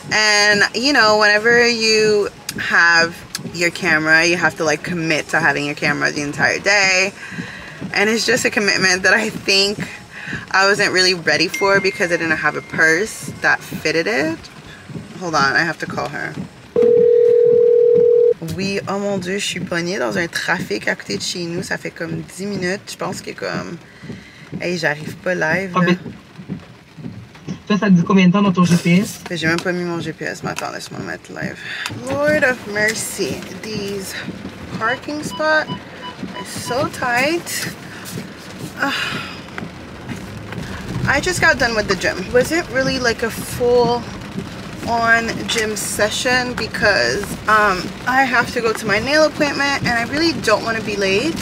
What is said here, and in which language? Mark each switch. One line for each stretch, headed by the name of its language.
English: And you know, whenever you have your camera, you have to like commit to having your camera the entire day. And it's just a commitment that I think I wasn't really ready for because I didn't have a purse that fitted it. Hold on, I have to call her.
French: Oui, oh mon dieu, je suis pognée dans un trafic à côté de chez nous. Ça fait comme 10 minutes. Je pense que comme... Hey, j'arrive pas live. Là. Ça, ça dit combien de temps dans ton GPS? Mais j'ai même pas mis mon GPS, mais attends, laisse-moi mettre live.
English: Lord of mercy, these parking spots are so tight. I just got done with the gym. Wasn't really like a full on gym session because I have to go to my nail appointment and I really don't want to be late.